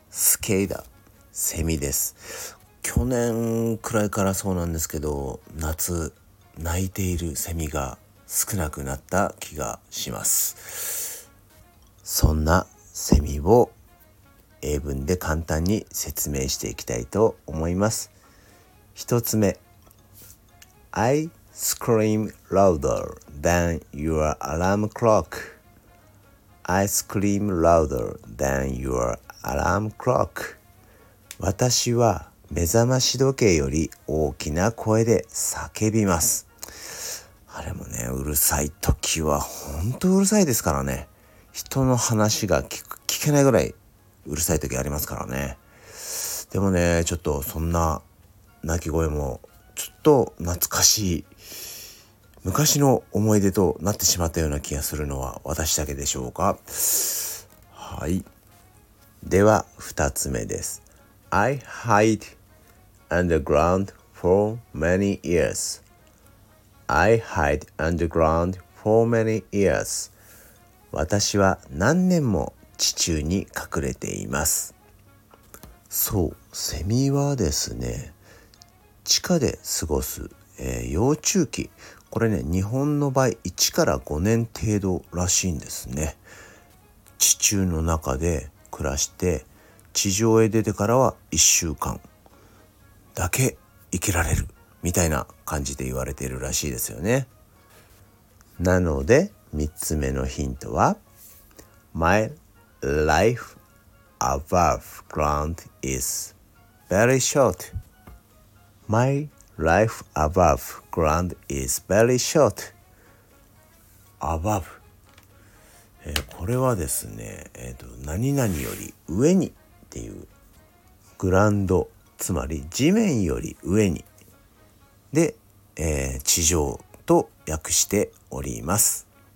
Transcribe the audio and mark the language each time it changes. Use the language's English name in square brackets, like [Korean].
[Japanese] スケーダー、セミです。去年くらいからそうなんですけど、夏鳴いているセミが少なくなった気がします。そんなセミを英文で簡単に説明していきたいと思います。 1つ目、 [English] I scream louder than your alarm clock. I scream louder than your alarm clock. [Japanese] 私は目覚まし時計より大きな声で叫びます。あれもね、うるさい時は本当うるさいですからね。人の話が聞けないぐらいうるさい時ありますからね。でもね、ちょっとそんな鳴き声もちょっと懐かしい昔の思い出となってしまったような気がするのは私だけでしょうか。はい、では2つ目です。 [English] I hide underground for many years. I hide underground for many years. [Japanese] 私は何年も地中に隠れています。そう、セミはですね、地下で過ごす、幼虫期、これね、日本の場合1から5年程度らしいんですね。地中の中で暮らして、地上へ出てからは1週間だけ生きられるみたいな感じで言われているらしいですよね。なので3つ目のヒントは、 [English] My life above ground is very shortMy life above ground is very short. [Japanese] Above、これはですね、何々より上にっていう、グランド、つまり地面より上にで、地上と訳しております。